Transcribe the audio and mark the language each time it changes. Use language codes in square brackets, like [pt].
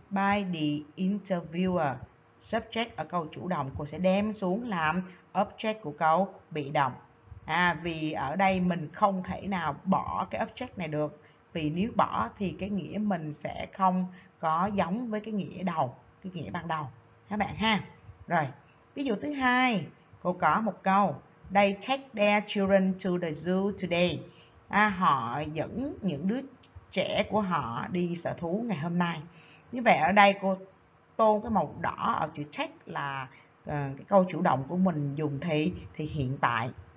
[en] By the interviewer. [vi] Subject ở câu chủ động, cô sẽ đem xuống làm object của câu bị động. Vì ở đây mình không thể nào bỏ cái object này được. Vì nếu bỏ thì cái nghĩa mình sẽ không có giống với cái nghĩa đầu, cái nghĩa ban đầu. Các bạn ha. Rồi, ví dụ thứ hai, cô có một câu. [en] They take their children to the zoo today. [vi] Họ dẫn những đứa trẻ của họ đi sở thú ngày hôm nay. Như vậy ở đây cô tô cái màu đỏ ở chữ check là cái câu chủ động của mình dùng thì hiện tại.